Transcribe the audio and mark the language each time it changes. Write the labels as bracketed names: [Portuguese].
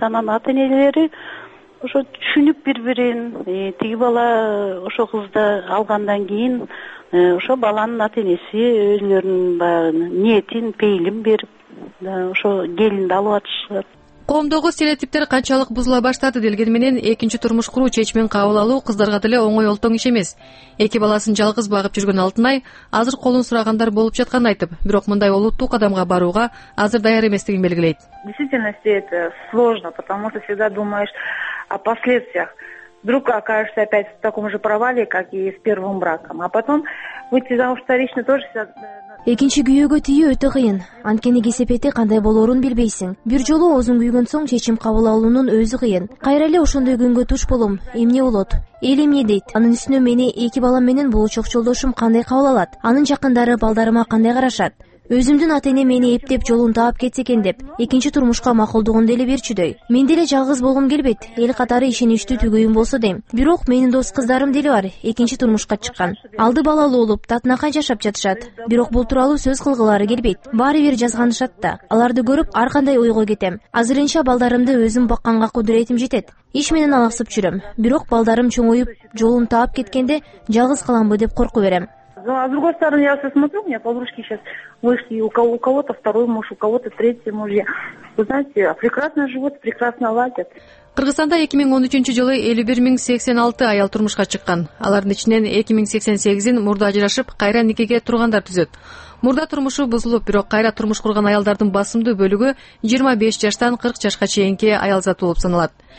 [Kyrgyz] Анан ата энелери ошо түшүнүп бири бирин, тиги бала ошо кызды алгандан кийин ошо баланын ата энеси өзүлөрүнүн баягы ниетин, пейилин берип ошо келинди алып атышат. Коомдогу стереотиптер канчалык бузула баштады делген менен, экинчи турмуш куруу чечимин кабыл алуу кыздарга деле оңой олтоң иш эмес. Эки баласын жалгыз багып жүргөн Алтынай азыр колун сурагандар болуп жатканын айтып, бирок мындай олуттуу кадамга барууга азыр даяр эместигин белгилейт. [Russian] Действительно, это сложно, потому что всегда думаешь о последствиях. Вдруг окажешься опять в таком же провале, как и с первым браком. А потом выйти замуж вторично тоже... [Kyrgyz] Экинчи күйөөгө тийүү өтө кыйын. Анткени кесепети кандай болорун билбейсиң. Бир жолу оозун күйгөн соң чечим кабыл алуунун өзү кыйын. Кайра эле ошондой күнгө туш болом, эмне болот? Эл эмне дейт? Анын үстүнө мени эки балам менен болочок жолдошум кандай кабыл алат? Анын жакындары балдарыма кандай карашат? Өзүмдүн ата энем мени эптеп жолун таап кетсе экен деп, экинчи турмушка макулдугун деле берчүдөй. Менде эле жалгыз болгум келбейт. Эл катары ишеничтүү түгөйүм болсо дейм. Бирок менин дос кыздарым деле бар, экинчи турмушка чыккан. Алды балалуу болуп, татынакай жашап жатышат. Бирок бул тууралуу сөз кылгылары келбейт. Баары бир жазганышат да. Аларды көрүп ар кандай ойго кетем. Азырынча балдарымды өзүм бакканга кудуретим жетет. Иш менен алаксып жүрөм. Бирок балдарым чоңоюп, жолун таап кеткенде жалгыз каламбы деп коркуп берем. [Russian] Но, а с другой стороны, я сейчас смотрю, у меня подружки сейчас вышли, и у кого-то второй муж, у кого-то третий муж. Вы знаете, прекрасно живут, прекрасно ладят. [Kyrgyz] Кыргызстанда 2013 жылы 51086 аял турмушка чыккан. Алардын ичинен 2088 мурда ажырашып, кайра никеге тургандар түзөт. Мурда турмушу бузулуп, бирок кайра турмуш курган аялдардын басымдуу бөлүгү 25 жаштан 40 жашка чейинки аялзат болуп саналат.